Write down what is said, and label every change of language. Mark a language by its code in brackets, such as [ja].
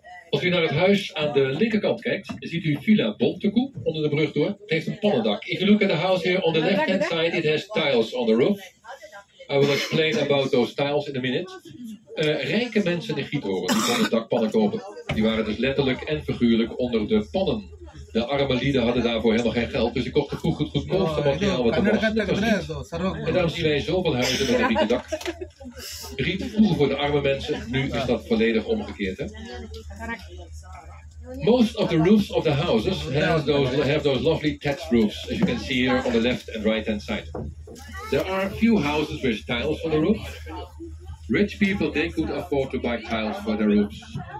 [nl] Als u naar het huis aan de linkerkant kijkt, ziet u Villa Bontekoe onder de brug door. Het heeft een pannendak. [en] If you look at the house here on the left hand side, it has tiles on the roof. I will explain about those tiles in a minute. [nl] Rijke mensen in Giethoorn die van het dakpannen kopen, die waren dus letterlijk en figuurlijk onder de pannen. De arme lieden hadden daarvoor helemaal geen geld, dus ze kochten vroeg het goedkoopste materiaal wat er was. En daarom zien wij zoveel huizen met een rieten dak. Riet vroeger voor de arme mensen, nu is dat volledig omgekeerd. Hè? [en] Most of the roofs of the houses have those lovely thatched roofs, as you can see here on the left and right hand side. There are a few houses with tiles on the roof. Rich people, they could afford to buy tiles for their roofs.